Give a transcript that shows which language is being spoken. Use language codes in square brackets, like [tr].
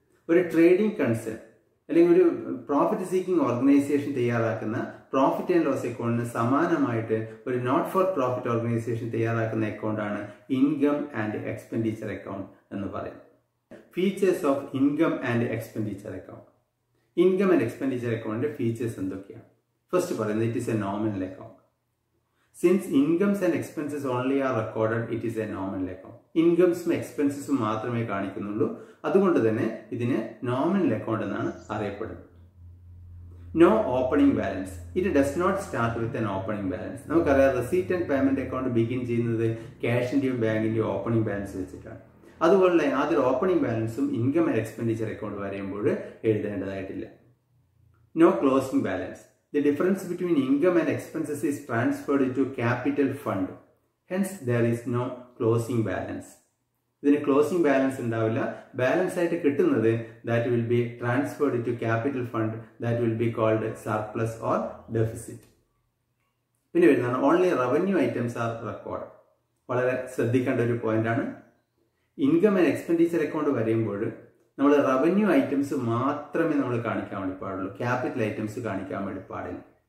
[ml] ഒരു trading concern അല്ലെങ്കിൽ ഒരു പ്രോഫിറ്റ് സീക്കിംഗ് ഓർഗനൈസേഷൻ തയ്യാറാക്കുന്ന പ്രോഫിറ്റ് ആൻഡ് ലോസ് അക്കൗണ്ടിന് സമാനമായിട്ട് ഒരു നോട്ട് ഫോർ പ്രോഫിറ്റ് ഓർഗനൈസേഷൻ തയ്യാറാക്കുന്ന അക്കൗണ്ടാണ് ഇൻകം ആൻഡ് എക്സ്പെൻഡിച്ചർ അക്കൗണ്ട് എന്ന് പറയുന്നത്. Features of income and expenditure account. Income and expenditure അക്കൗണ്ടിന്റെ ഫീച്ചേഴ്സ് എന്തൊക്കെയാണ്? [en] first [ml] പറയുന്നത് [en] It is a nominal account. Since incomes and expenses only are recorded, it is a nominal account. [ml] Incomes and expenses മാത്രമേ കാണിക്കുന്നുള്ളൂ, അതുകൊണ്ട് തന്നെ ഇതിനെ nominal account എന്നാണ് അറിയപ്പെടുന്നത്. [en] No opening balance. It does not start with an opening balance. [ml] നമുക്കറിയാം receipt and payment account begin ചെയ്യുന്നത് ക്യാഷിന്റെയും ബാങ്കിന്റെയും opening balance വെച്ചിട്ടാണ്. അതുപോലെ ആദ്യം ഓപ്പണിംഗ് ബാലൻസും income and expenditure account വരയുമ്പോൾ എഴുതേണ്ടതായിട്ടില്ല. [en] No closing balance. The difference between income and expenses is transferred to capital fund. Hence, there is no closing balance. [ml] ഇതിന് closing balance ഉണ്ടാവില്ല. Balance ആയിട്ട് കിട്ടുന്നത് [en] That will be transferred to capital fund. That will be called surplus or deficit. [ml] പിന്നെ വരുന്നതാണ് [en] Only revenue items are record. [ml] വളരെ ശ്രദ്ധിക്കേണ്ട ഒരു point ആണ്. ഇൻകം ആൻഡ് എക്സ്പെൻഡിച്ചർ അക്കൗണ്ട് വരുമ്പോൾ നമ്മൾ റവന്യൂ ഐറ്റംസ് മാത്രമേ നമ്മൾ കാണിക്കാൻ വേണ്ടി പാടുള്ളൂ, ക്യാപിറ്റൽ ഐറ്റംസ് കാണിക്കാൻ വേണ്ടി പാടില്ല.